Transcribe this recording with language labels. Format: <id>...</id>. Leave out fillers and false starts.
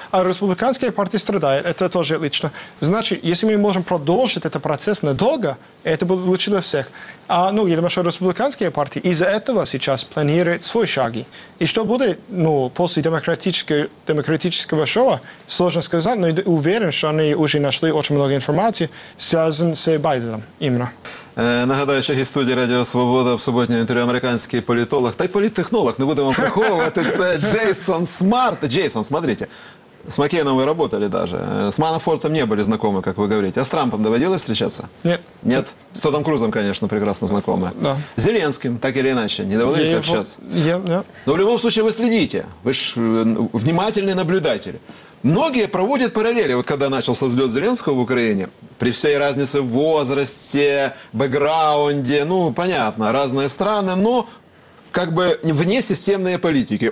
<ru>А республиканская партия страдает. Это тоже лично. Значит, если мы можем продолжить этот процесс надолго, это будет лучше для всех. А, ну, я думаю, что республиканская партия из-за этого сейчас планирует свои шаги. И что будет, ну, после демократического шоу, сложно сказать, но я уверен, что они уже нашли очень много информации, связанной с Байденом именно.</ru> <uk>Нагадаю, що гість студії Радіо Свобода в суботнє інтерв'ю американський політолог та й політтехнолог. Не будемо приховувати, це Джейсон Смарт.</uk> <ru>Джейсон, смотрите, с Маккейном ви работали даже.</ru> <uk>С Манафортом не були знакомі, як ви говорите. А з Трампом доводилось встречаться?</uk> <ru>Нет. С Тодом Крузом, конечно, прекрасно знакомы. Да. С Зеленским, так или иначе, не доводилось общаться? Нет. Но в любом случае вы следите. Вы ж внимательный наблюдатель. Многие проводят параллели, вот когда начался взлет Зеленского в Украине, при всей разнице в возрасте, бэкграунде, ну, понятно, разные страны, но как бы вне системные политики.</ru>